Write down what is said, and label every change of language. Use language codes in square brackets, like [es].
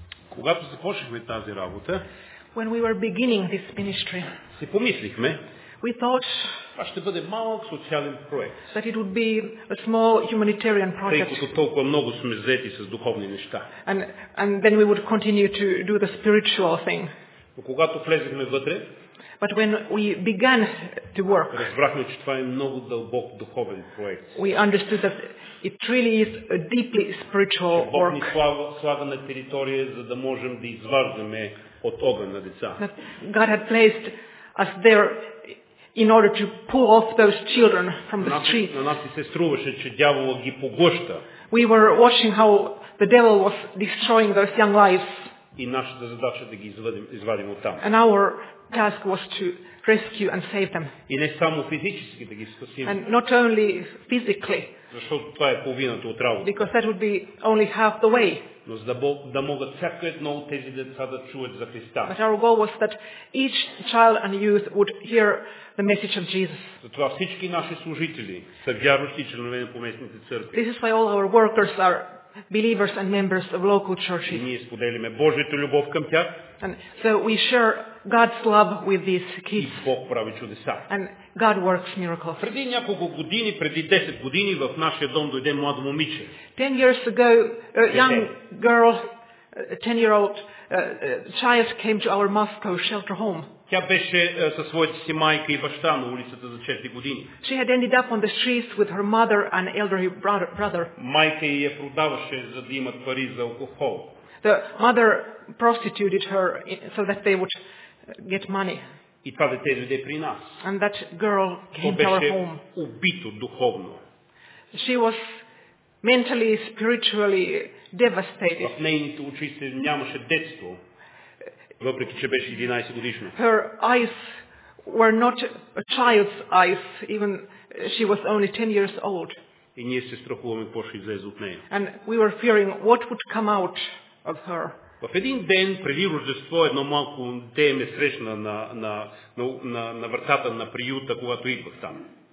[bg] Когато започнахме тази работа, [en] when we were beginning this ministry, [bg] си помислихме, [en] we thought, [bg] това ще бъде малък социален проект, [en] that it would be a small humanitarian project, [bg] тъй като толкова много сме взети с духовни неща. [en] And then we would continue to do the spiritual thing. [bg] Но когато влезехме вътре, [en] but when we began to work, [bg] разбрахме, че това е много дълбок духовен проект. [en] We understood that it really is a deeply spiritual work. [bg] Бог ни слага на територия, за да можем да изваждаме от огън на деца. [en] That God had placed us there in order to pull off those children from the street. [bg] На нас се струваше, че дяволът ги поглъща. [en] We were watching how the devil was destroying those young lives. [bg] И нашата задача да ги извадим оттам. [en] And our task was to rescue and save them. [bg] И не само физически да ги спасим. [en] And not only physically. [bg] Защото това е половината от работа. [en] Because that would be only half the way. [bg] Но за да могат всяко едно от тези деца да чуят за Христа. [en] But our goal was that each child and youth would hear the message of Jesus. [bg] Затова всички наши служители са вярващи членове на поместните църкви. [en] This is why all our workers are believers and members of local churches. [bg] Ние споделяме Божията любов към тях. [en] And so we share God's love with these kids. [bg] Бог прави чудеса. [en] And God works miracles. [bg] Преди няколко години, преди 10 години в нашия дом дойде младо момиче. [en] 10 years ago, a young girl 10-year-old child came to our Moscow shelter home. [bg] Тя беше со своите си майка и баща на улицата за 4 години. [en] She had ended up on the streets with her mother and elderly brother. [bg] Майка ѝ я продаваше за да имат пари за алкохол. [en] The mother prostituted her so that they would get money. [bg] И това дете дойде при нас. [en] And that girl came to our home. [bg] Беше убито духовно. [en] She was mentally, spiritually devastated. [bg] В нейните очи се нямаше детство. Въпреки че беше 11 годишна. [en] Her eyes were not a child's eyes, even she was only 10 years old. [bg] И ние се страхуваме какво ще излезе от нея. [en] And we were fearing what would come out of her. [bg] В един ден преди Рождество едно малко дете ме срещна на вратата на приюта, когато идвах там.